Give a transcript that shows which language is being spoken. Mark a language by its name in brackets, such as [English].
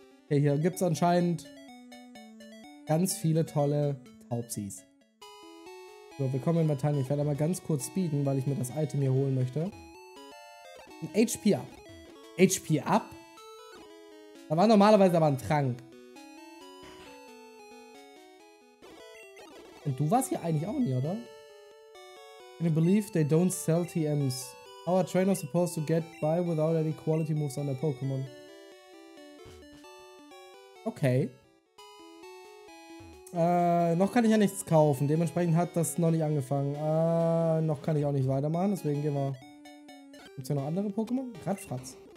[German] Okay, hier gibt es anscheinend... ganz viele tolle Taubsis. So, wir kommen in Matan. Ich werde einmal ganz kurz speeden, weil ich mir das Item hier holen möchte. Ein HP Up. HP Up? Da war normalerweise aber ein Trank. Und du warst hier eigentlich auch nie, oder? [English] Can you believe they don't sell TMs? How are trainers supposed to get by without any quality moves on their Pokémon? Okay. [German] Noch kann ich ja nichts kaufen. Dementsprechend hat das noch nicht angefangen. Noch kann ich auch nicht weitermachen. Deswegen gehen wir... Gibt es ja noch andere Pokémon? Radfratz.